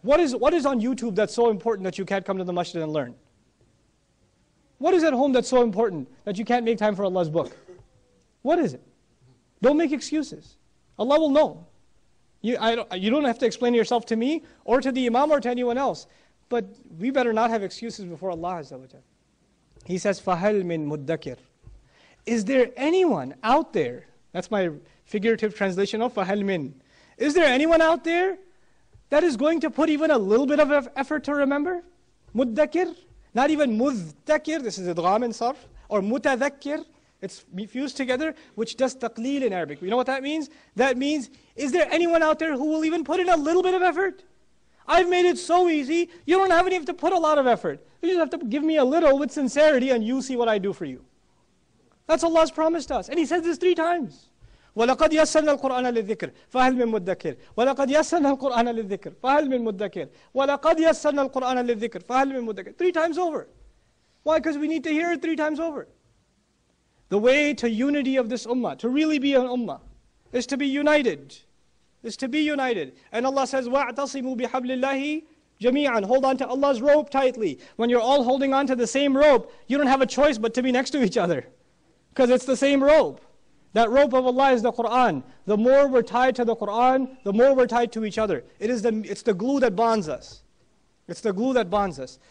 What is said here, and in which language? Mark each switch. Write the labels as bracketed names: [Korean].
[English] What is on YouTube that's so important that you can't come to the masjid and learn? What is at home that's so important that you can't make time for Allah's book? What is it? Don't make excuses. Allah will know. You don't have to explain yourself to me or to the imam or to anyone else. But we better not have excuses before Allah Azza wa Jalla. He says, [Arabic] فَهَلْ مِن مُدَّكِرْ. [English] Is there anyone out there? That's my figurative translation of [Arabic] فَهَلْ مِن. [English] Is there anyone out there that is going to put even a little bit of effort to remember? [Arabic] مُدَّكِرْ. [English] Not even [Arabic] مُذْتَكِرْ. [English] This is [Arabic] إِدْغَامْ إِنْ صَرْفْ. Or مُتَذَكِّرْ. [English] It's fused together, which does taqleel in Arabic. You know what that means? That means, is there anyone out there who will even put in a little bit of effort? I've made it so easy, you don't even have to put a lot of effort. You just have to give me a little with sincerity and you see what I do for you. That's Allah's promise to us. And He says this 3 times. [Arabic] وَلَقَدْ يَسَّرْنَا الْقُرْآنَ لِلذِّكْرِ فَهَلْ مِن مُدَّكِرْ. وَلَقَدْ يَسَّرْنَا الْقُرْآنَ لِلذِّكْرِ فَهَلْ مِن مُدَّكِرْ. وَلَقَدْ يَسَّرْنَا الْقُرْآنَ لِلذِّكْرِ فَهَلْ مِن مُدَّكِرْ. [English] 3 times over. Why? Because we need to hear it 3 times over. The way to unity of this ummah, to really be an ummah, is to be united. Is to be united. And Allah says, [Arabic] وَاعْتَصِمُوا بِحَبْلِ اللَّهِ جَمِيعًا. [English] Hold on to Allah's rope tightly. When you're all holding on to the same rope, you don't have a choice but to be next to each other. Because it's the same rope. That rope of Allah is the Qur'an. The more we're tied to the Qur'an, the more we're tied to each other. It's the glue that bonds us. It's the glue that bonds us.